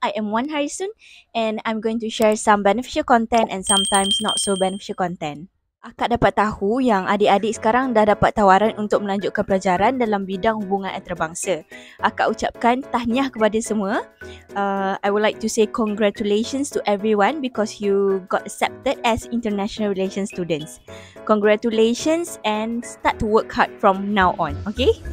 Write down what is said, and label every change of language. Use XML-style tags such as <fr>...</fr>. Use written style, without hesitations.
<en>I am Wan Harrison and I'm going to share some beneficial content and sometimes not so beneficial content.</en> <ms>Akak dapat tahu yang adik-adik sekarang dah dapat tawaran untuk melanjutkan pelajaran dalam bidang hubungan antarabangsa. Akak ucapkan tahniah kepada semua.</ms> <en>I would like to say congratulations to everyone because you got accepted as international relations students. Congratulations and start to work hard from now on, okay?</en>